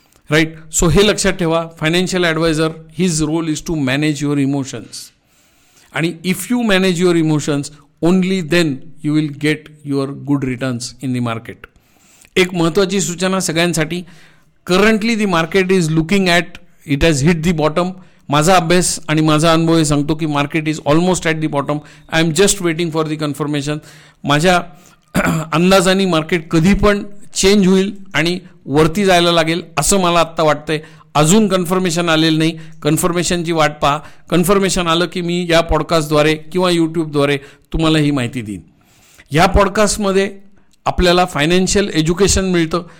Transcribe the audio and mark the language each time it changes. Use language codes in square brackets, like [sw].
[en] right, so [mr] हे लक्षात ठेवा, [en] Financial adviser his role is to manage your emotions, आणि if you manage your emotions only then you will get your good returns in the market. [mr] एक महत्त्वाची सूचना सगळ्यांसाठी, [en] Currently the market is looking at it has hit the bottom. [mr] माझा अभ्यास आणि माझा अनुभव हे सांगतो की [en] Market is almost at the bottom. I am just waiting for the confirmation. [mr] माझ्या अंदाजाने मार्केट कधी पण चेंज होईल आणि वरती जायला लागेल असं मला आत्ता वाटतं आहे. अजून कन्फर्मेशन आलेलं नाही, कन्फर्मेशनची वाट पहा. कन्फर्मेशन आलं की मी या पॉडकास्टद्वारे किंवा यूट्यूबद्वारे तुम्हाला ही माहिती देईन. ह्या पॉडकास्टमध्ये आपल्याला फायनान्शियल एज्युकेशन मिळतं.